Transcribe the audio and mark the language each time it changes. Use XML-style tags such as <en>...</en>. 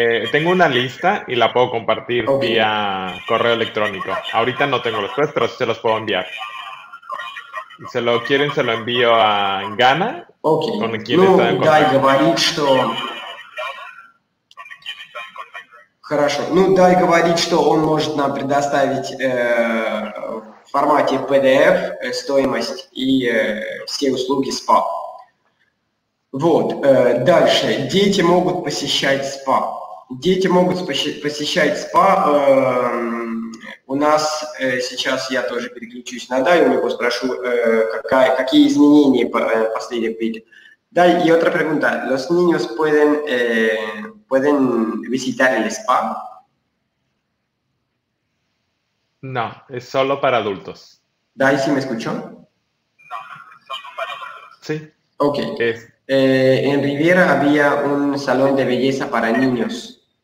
<es>Tengo una lista y la puedo compartir okay. Vía correo electrónico. Ahorita no tengo los precios, pero sí se los puedo enviar. Se lo quieren, se lo envío a Gana. Ok. Con quien no, está en contacto.</es> <ru>Что... Хорошо. Ну, дай говорить, что он может нам предоставить в формате PDF стоимость и все услуги спа. Вот, дальше. Дети могут посещать спа. Дети могут посещать спа. У нас сейчас я тоже переключусь на Дай, у него спрошу, какие изменения последние были.</ru> <es>Дай, и otra pregunta. Los niños pueden visitar el spa? No, es solo para adultos. Дай, ¿sí me escuchó? No, es solo para adultos. Sí. Ok. En Riviera había un salón de belleza para niños.</es>